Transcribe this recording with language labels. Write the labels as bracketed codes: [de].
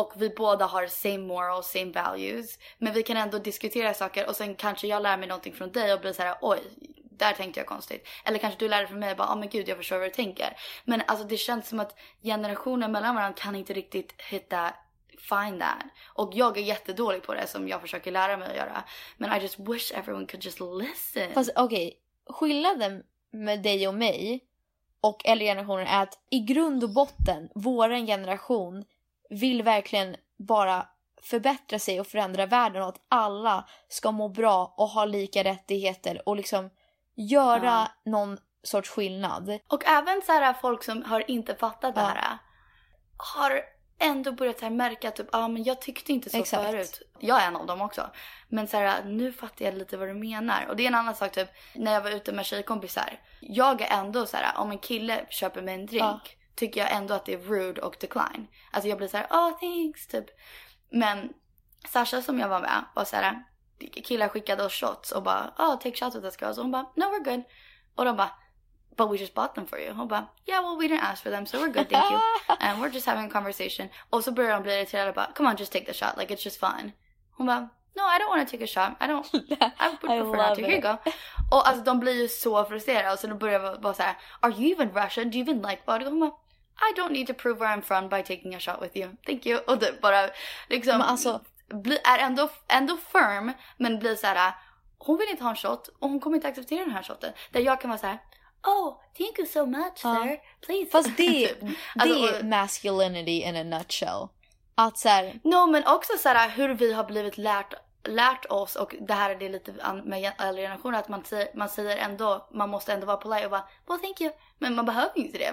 [sv] Och vi båda har [en] same morals, same values. [sv] Men vi kan ändå diskutera saker. Och sen kanske jag lär mig någonting från dig och blir så här, oj, där tänkte jag konstigt. Eller kanske du lär dig från mig och bara, oh men gud, jag förstår vad du tänker. Men alltså det känns som att generationen mellan varandra kan inte riktigt hitta, [en] find that. [sv] Och jag är jättedålig på det som jag försöker lära mig att göra. Men [en] I just wish everyone could just listen. [sv] Fast okej, skillnaden med dig och mig och äldre generationen är att i grund och botten, våran generation vill verkligen bara förbättra sig och förändra världen och att alla ska må bra och ha lika rättigheter och liksom göra någon sorts skillnad. Och även så här folk som har inte fattat det här har ändå börjat här märka typ, ah, men jag tyckte inte så exakt förut. Jag är en av dem också. Men så här, nu fattar jag lite vad du menar. Och det är en annan sak typ, när jag var ute med tjejkompisar. Jag är ändå så här, om en kille köper mig en drink, ja, tycker jag ändå att det är rude och decline. Alltså jag blir så här, [en] oh thanks [sv] typ. Men Sasha som jag var med var så här, killar skickade oss shots och bara, [en] oh take shots with this girl. [sv] Så hon bara, [en] no we're good. [sv] Och de bara, [en] but we just bought them for you. [sv] Hon bara, [en] yeah, well, we didn't ask for them, so we're good, thank you. And we're just having a conversation. [sv] Och så börjar hon bli irriterad och bara, [en] come on, just take the shot. Like, it's just fun. [sv] Hon bara, [en] no, I don't want to take a shot. I don't, I would prefer not to. Here you go. [sv] Och alltså, de blir ju så frustrerade. Och så de börjar bara såhär, [en] are you even Russian? Do you even like vodka? [sv] Hon bara, [en] I don't need to prove where I'm from by taking a shot with you. Thank you. [sv] Och det bara, liksom, alltså, är ändå firm, men blir såhär, hon vill inte ha en shot, och hon kommer inte acceptera den här shoten. Där jag kan vara såhär, [en] oh, thank you so much, sir. Please. [sv] Fast det är typ, alltså, [en] masculinity in a nutshell. [sv] Att så här, no, men också så här, hur vi har blivit lärt oss, och det här är det lite med äldre generationer, att man säger ändå, man måste ändå vara polite och bara, [en] well, thank you. [sv] Men man behöver inte det.